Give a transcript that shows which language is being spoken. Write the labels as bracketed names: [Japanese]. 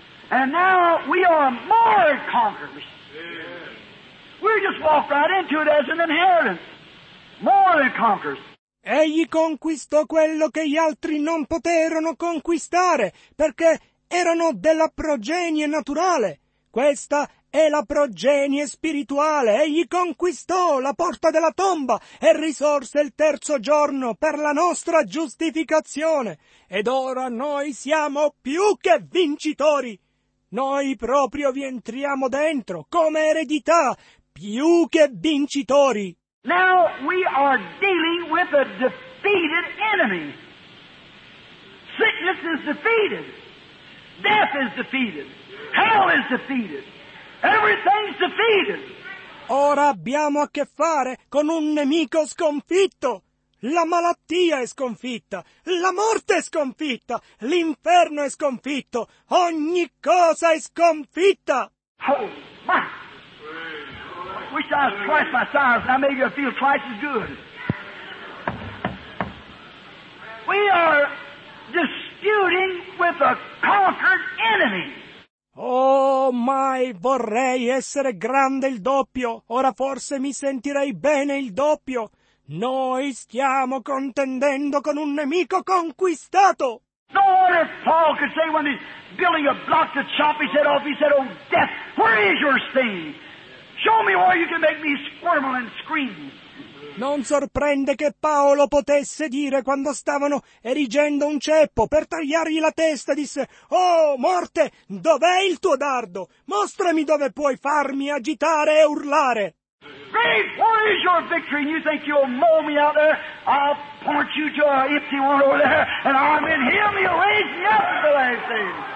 [English] And now we are more conquerors. We just walk right into it as an inheritance. More than conquerors. [Italian] Egli conquistò quello che gli altri non poterono conquistare, perché erano della progenie naturale. Questa è la progenie spirituale. Egli conquistò la porta della tomba e risorse il terzo giorno per la nostra giustificazione. Ed ora noi siamo più che vincitori. Noi proprio vi entriamo dentro come eredità. Più che vincitori. [English] Now we are dealing with a defeated enemy. Sickness is defeated. Death is defeated. Hell is defeated. Everything's defeated. [Italian] Ora abbiamo a che fare con un nemico sconfitto. La malattia è sconfitta. La morte è sconfitta. L'inferno è sconfitto. Ogni cosa è sconfitta. [English] Oh, my. I wish I was twice my size, I made you feel twice as good. We are disputing with a conquered enemy. [Italian] Oh, mai vorrei essere grande il doppio. Ora forse mi sentirei bene il doppio. Noi stiamo contendendo con un nemico conquistato. [English] No wonder Paul could say when he's building a block to chop his head off, he said, oh, death, where is your sting? Show me where you can make me squirm and scream. [Italian] Non sorprende che Paolo potesse dire quando stavano erigendo un ceppo per tagliargli la testa, disse: oh, morte, dov'è il tuo dardo? Mostrami dove puoi farmi agitare e urlare. [English] Grave, where is your victory? And you think you'll mow me out there? I'll point you to an empty one over there, and I'm in him. He'll raise me up the last day.